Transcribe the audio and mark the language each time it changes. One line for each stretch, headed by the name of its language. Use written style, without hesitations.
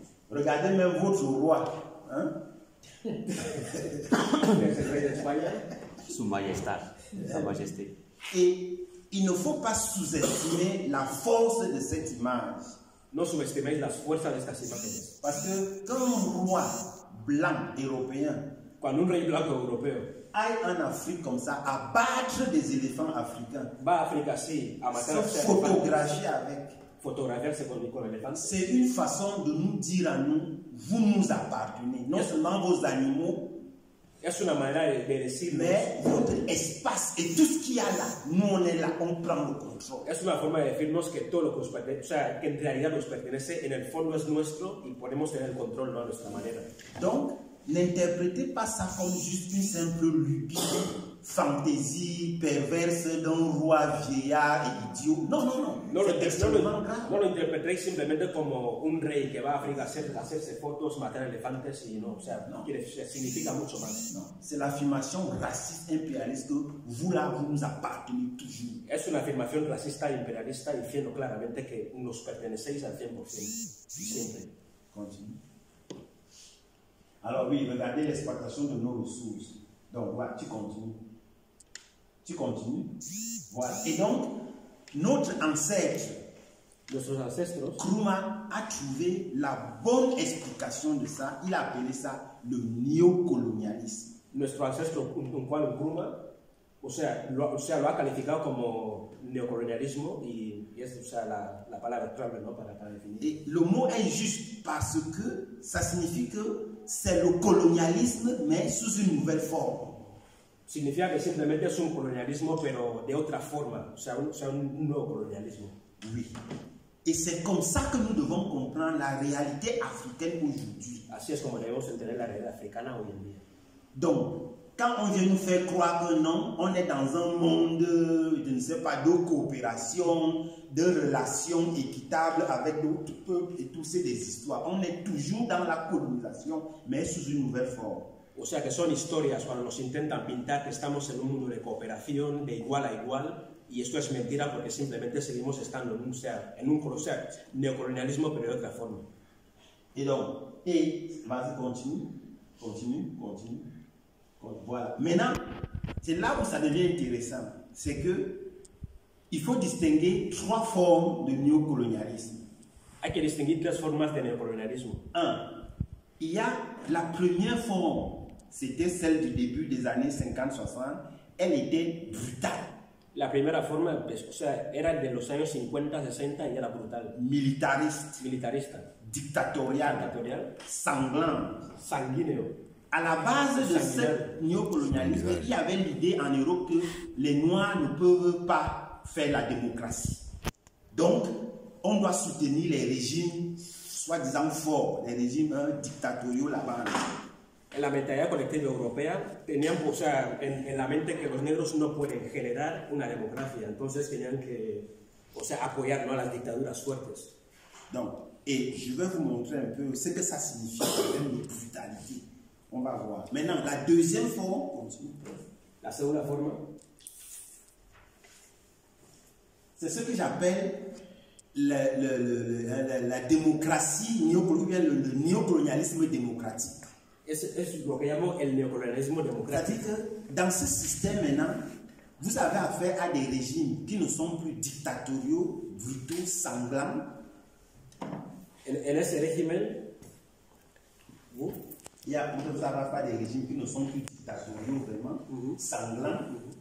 French: Regardez même votre roi. Hein? Le roi d'Espagne. Son majesté. Sa majesté. Et il ne faut pas sous-estimer la force de cette image.
Spanish: No subestiméis las fuerzas de estas imágenes.
French: Parce que quand un roi blanc européen,
Spanish: cuando un rey blanco europeo,
French: aille en Afrique comme ça, à battre des éléphants africains,
Spanish: va a África así, a matar a
French: ces photographier avec,
Spanish: fotografiarse con
French: un éléphant, c'est une façon de nous dire à nous, vous nous appartenez, non seulement vos animaux,
Spanish: es una manera de decir,
French: mais votre espace et tout ce qu'il y a là, nous on est là, on prend le contrôle.
Spanish: Es una forma de decirnos que todo lo que nos pertenece, o sea, que en realidad nos pertenece, en el fondo es nuestro y podemos tener el control, ¿no?, a nuestra manera.
French: Donc, n'interprétez pas ça comme juste une simple lubie, fantaisie, perverse d'un roi vieillard et idiot. Non, non, non. No, c'est extrêmement grave.
Spanish: No lo interpretéis simplemente como un rey que va a África a hacerse fotos, matar elefantes y no. O sea, no. Significa mucho más.
French: Non. C'est l'affirmation raciste impérialiste que vous là, vous nous appartenez toujours.
Spanish: Es una afirmación racista e imperialista diciendo claramente que nos pertenecéis al 100%. Siempre.
French: Continue. Alors oui, regardez l'exploitation de nos ressources. Donc voilà, tu continues. Tu continues. Voilà. Et donc, notre ancêtre,
Spanish: nuestros ancestros,
French: Krumah, a trouvé la bonne explication de ça. Il a appelé ça le néocolonialisme.
Spanish: Nuestro ancestro, un cual Krumah, O sea, lo ha calificado como neocolonialismo y es, o sea, la palabra clave, ¿no? Para definir.
French: Et le mot est juste parce que ça signifie que c'est le colonialisme, mais sous une nouvelle forme.
Spanish: Significa que simplemente es un colonialismo, pero de otra forma. O sea, un nuevo colonialismo.
French: Oui. Et c'est comme ça que nous devons comprendre la réalité africaine aujourd'hui.
Spanish: Así es como debemos entender la realidad africana hoy en día.
French: Donc, quand on vient nous faire croire que non, on est dans un monde, je ne sais pas, de coopération, de relations équitables avec d'autres peuples et toutes ces histoires. On est toujours dans la colonisation, mais sous une nouvelle forme.
Spanish: O sea, que son historias cuando nos intentan pintar que estamos en un mundo de cooperación, de igual a igual, y esto es mentira porque simplemente seguimos estando en un neocolonialismo, pero de otra forma.
French: Et donc, continue. Voilà. Maintenant, c'est là où ça devient intéressant. C'est que il faut distinguer trois formes de néocolonialisme.
Spanish: Hay que distinguir tres formas de neocolonialismo.
French: Un, il y a la première forme, c'était celle du début des années 50-60. Elle était brutale.
Spanish: La primera forma, pues, o sea, era de los años 50-60 y era brutal.
French: Militariste.
Spanish: Militarista. Dictatorial.
French: Sanglant. Sanguinario. À la base de ce néocolonialisme, il y avait l'idée en Europe que les Noirs ne peuvent pas faire la démocratie. Donc, on doit soutenir les régimes soi-disant forts, les régimes dictatoriaux là-bas.
Spanish: En la mentalidad colectiva europea, tenían, o sea, en la mente que los negros no pueden generar una democracia. Entonces, tenían que, o sea, apoyar, ¿no?, a las dictaduras fuertes.
French: Donc, et je vais vous montrer un peu ce que ça signifie quand même de brutalité. On va voir. Maintenant, la deuxième forme, continue. La seconde forme, c'est ce que j'appelle la démocratie néocoloniale, le néocolonialisme démocratique.
Spanish: Es lo que llamo el neocolonialismo democrático.
French: Dans ce système maintenant, vous avez affaire à des régimes qui ne sont plus dictatoriaux, brutaux, sanglants.
Spanish: En ese régimen,
French: vous. Il y a pour vous avoir pas des régimes qui ne sont plus dictatoriaux vraiment, sanglants.